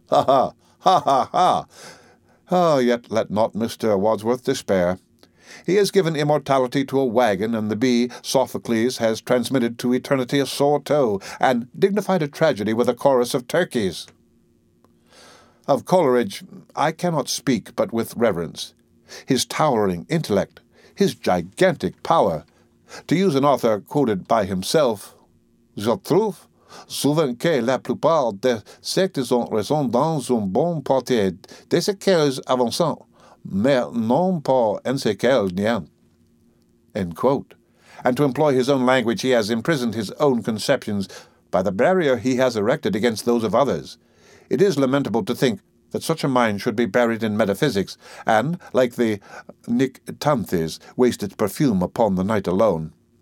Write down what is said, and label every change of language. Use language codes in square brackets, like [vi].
[en] Ha, ha, ha, ha, ha. Oh, yet let not Mr. Wordsworth despair. He has given immortality to a wagon, and the bee, Sophocles, has transmitted to eternity a sore toe, and dignified a tragedy with a chorus of turkeys. Of Coleridge, I cannot speak but with reverence. His towering intellect, his gigantic power, to use an author quoted by himself, [fr] "Je trouve souvent que la plupart des sectes ont raison dans une bonne partie de ce qu'elles avancent. Mais non pas en ce qu'elle n'est." [en] End quote. And to employ his own language, he has imprisoned his own conceptions by the barrier he has erected against those of others. It is lamentable to think that such a mind should be buried in metaphysics, and, like the Nyctanthes, waste its perfume upon the night alone.